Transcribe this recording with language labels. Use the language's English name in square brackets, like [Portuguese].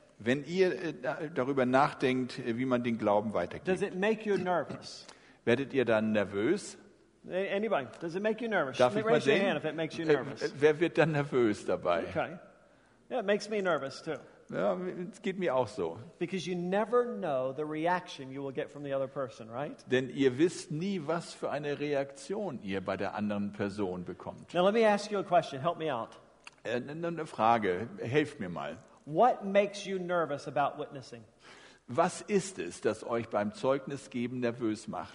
[German] wenn ihr darüber nachdenkt, wie man den Glauben weitergibt, [English] does it make you nervous? [German] Werdet ihr dann nervös? [English] Anybody, does it make you nervous? [German] Darf ich mal [English] raise your hand if it makes you nervous? [German] Wer wird dann nervös dabei? [English] Okay. Yeah, it makes me nervous too. [German] Ja, es geht mir auch so. [English] Because you never know the reaction you will get from the other person, right? [German] Denn ihr wisst nie, was für eine Reaktion ihr bei der anderen Person bekommt. [English] Now let me ask you a question. Help me out. [German] Eine Frage. Helft mir mal. [English] What makes you nervous about witnessing? [German] Was ist es, das euch beim Zeugnisgeben nervös macht?